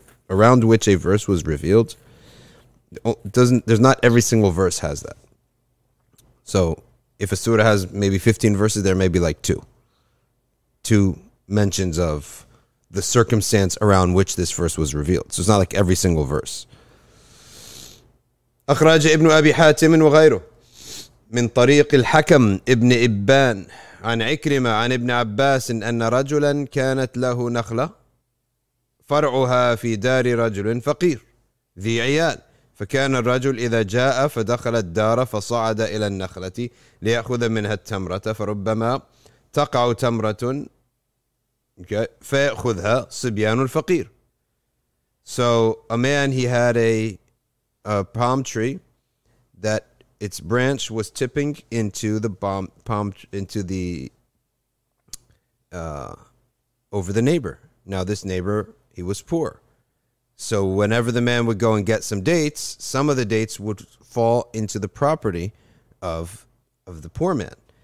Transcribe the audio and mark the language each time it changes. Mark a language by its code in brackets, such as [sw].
[en] around which a verse was revealed, there's not every single verse has that. So if a surah has maybe 15 verses, there may be like two mentions of the circumstance around which this verse was revealed. So it's not like every single verse. [ar] أخرج ابن أبي حاتم وغيره من طريق الحكم ابن إبان عن عكرمة عن ابن عباس أن رجلا كانت له نخلة فرعها في دار رجل فقير ذي عيال فكان الرجل إذا جاء فدخل الدار فصعد إلى النخلة ليأخذ منها التمرة فربما تقع تمرة فيأخذها صبيان الفقير. [en] So a man, he had a palm tree that its branch was tipping into the over the neighbor. Now this neighbor, he was poor. So whenever the man would go and get some dates, some of the dates would fall into the property of the poor man.